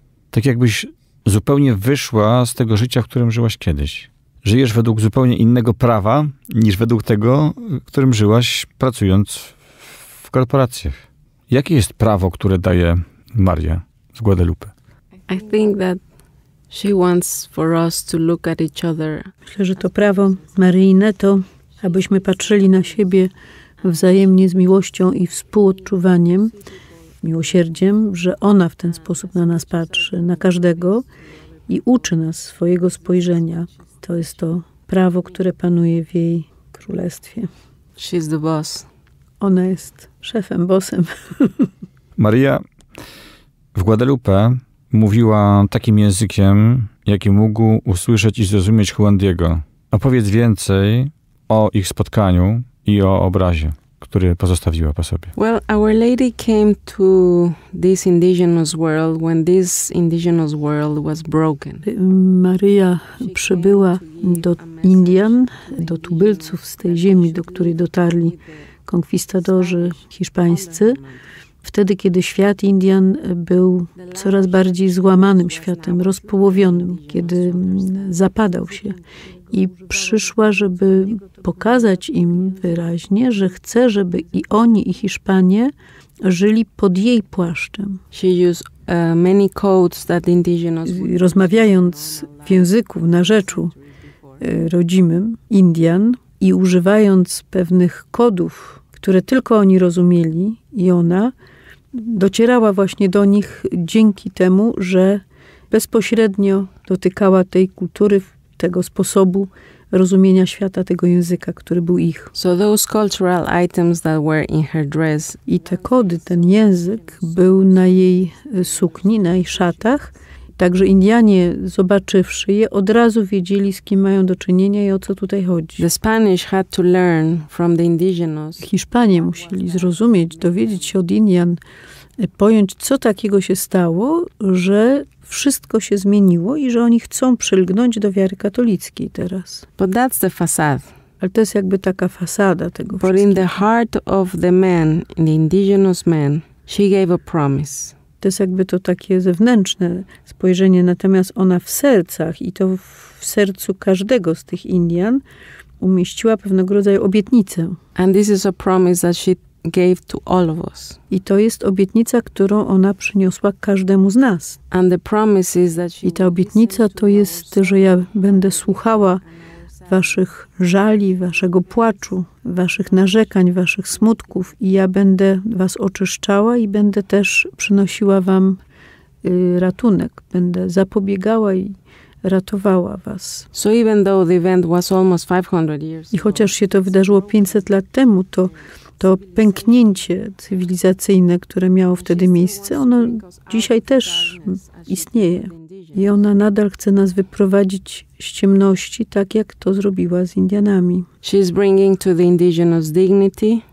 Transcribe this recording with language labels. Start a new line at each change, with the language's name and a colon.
Polish: Tak jakbyś zupełnie wyszła z tego życia, w którym żyłaś kiedyś. Żyjesz według zupełnie innego prawa, niż według tego, którym żyłaś, pracując w korporacjach. Jakie jest prawo, które daje Maria z Guadalupe?
English: I think that she wants for us to look at each other.
Polish: Myślę, że to prawo maryjne to, abyśmy patrzyli na siebie wzajemnie z miłością i współodczuwaniem, miłosierdziem, że ona w ten sposób na nas patrzy, na każdego, i uczy nas swojego spojrzenia. To jest to prawo, które panuje w jej królestwie.
English: She's the boss.
Polish: Ona jest szefem, bossem. Maria w Guadalupe mówiła takim językiem, jaki mógł usłyszeć i zrozumieć Juan Diego. Opowiedz więcej o ich spotkaniu i o obrazie, który pozostawiła po sobie.
English: Well, Our Lady came to this indigenous world when this indigenous world was broken.
Polish: Maria przybyła do Indian, do tubylców z tej ziemi, do której dotarli konkwistadorzy hiszpańscy, wtedy, kiedy świat Indian był coraz bardziej złamanym światem, rozpołowionym, kiedy zapadał się. I przyszła, żeby pokazać im wyraźnie, że chce, żeby i oni, i Hiszpanie żyli pod jej płaszczem.
English: She used many codes that indigenous.
Polish: Rozmawiając w języku, w narzeczu rodzimym, Indian, i używając pewnych kodów, które tylko oni rozumieli, i ona docierała właśnie do nich dzięki temu, że bezpośrednio dotykała tej kultury, tego sposobu rozumienia świata, tego języka, który był ich.
English: So those cultural items that were in her dress.
Polish: I te kody, ten język był na jej sukni, na jej szatach. Także Indianie, zobaczywszy je, od razu wiedzieli, z kim mają do czynienia i o co tutaj chodzi.
English: The Spanish had to learn from the indigenous.
Polish: Hiszpanie musieli zrozumieć, dowiedzieć się od Indian, pojąć, co takiego się stało, że wszystko się zmieniło i że oni chcą przylgnąć do wiary katolickiej teraz.
English: But that's the facade.
Polish: Ale to jest jakby taka fasada tego wszystkiego.
English: But in the heart of the man, the indigenous man, she gave a promise.
Polish: To jest jakby to takie zewnętrzne spojrzenie, natomiast ona w sercach i to w sercu każdego z tych Indian umieściła pewnego rodzaju obietnicę.
English: And this is a promise that she gave to all of us.
Polish: I to jest obietnica, którą ona przyniosła każdemu z nas.
English: And the promise is that
Polish: i ta obietnica to jest, że ja będę słuchała waszych żali, waszego płaczu, waszych narzekań, waszych smutków i ja będę was oczyszczała i będę też przynosiła wam ratunek. Będę zapobiegała i ratowała was.
English: So even though the event was almost 500 years
Polish: i chociaż się to wydarzyło 500 lat temu, to pęknięcie cywilizacyjne, które miało wtedy miejsce, ono dzisiaj też istnieje. I ona nadal chce nas wyprowadzić z ciemności, tak jak to zrobiła z Indianami.
English: She is bringing to the indigenous dignity,